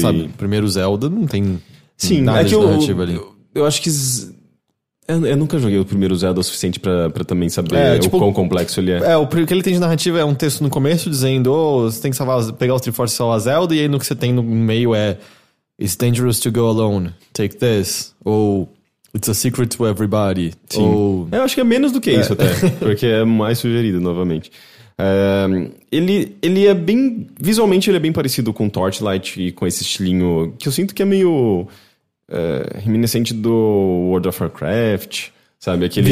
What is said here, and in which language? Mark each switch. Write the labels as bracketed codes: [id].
[pt] sabe, primeiro Zelda não tem nada de narrativa ali. Eu acho que... Eu nunca joguei o primeiro Zelda o suficiente pra também saber o quão complexo ele é. É, o que ele tem de narrativa é um texto no começo dizendo, oh, você tem que salvar, pegar os Triforce e salvar a Zelda, e aí no que você tem no meio é... [en] It's dangerous to go alone, take this. Ou, it's a secret to everybody. [pt] Sim. Ou... Eu acho que é menos do que isso até, porque é mais sugerido, novamente. Ele é bem... Visualmente ele é bem parecido com Torchlight e com esse estilinho que eu sinto que é meio reminiscente do World of Warcraft, sabe? Aquele...